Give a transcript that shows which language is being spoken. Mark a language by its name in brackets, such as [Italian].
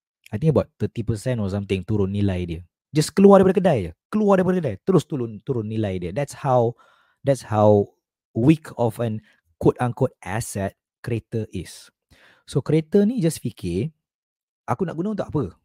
[English] I think about 30% or something [Malay] turun nilai dia. Just keluar daripada kedai je. Keluar daripada kedai, terus turun nilai dia. [English] That's how weak of an quote-unquote asset kereta is. [Malay] So kereta ni just fikir, aku nak guna untuk apa?